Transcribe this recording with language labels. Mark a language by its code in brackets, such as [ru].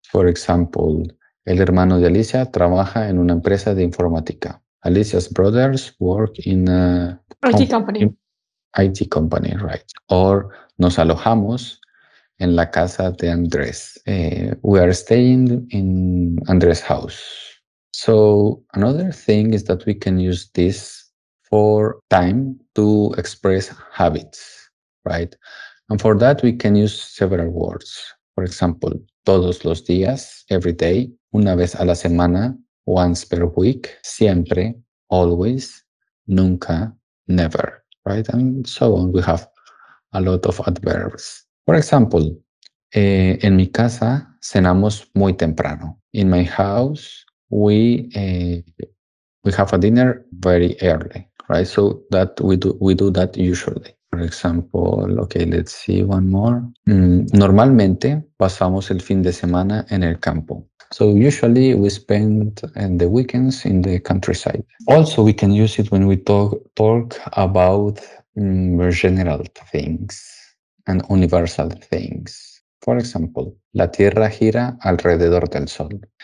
[en] For example, [es] el hermano de Alicia trabaja en una empresa de informática. [en] Alicia's brothers work in a IT company. IT company, right? Or [es] nos alojamos en la casa de Andrés. [en] We are staying in Andrés' house. So another thing is that we can use this for time to express habits, right? And for that, we can use several words. For example, [es] todos los días, [en] every day, [es] una vez a la semana, [en] once per week, [es] siempre, [en] always, [es] nunca, [en] never, right? And so on. We have a lot of adverbs. For example, [es] en mi casa cenamos muy temprano. [en] In my house, we have a dinner very early, right? So that we do that usually. For example, okay, let's see one more. [es] Normalmente pasamos el fin de semana en el campo. [en] So usually we spend the weekends in the countryside. Also, we can use it when we talk about general things and universal things. For example, [es] la tierra gira alrededor del sol.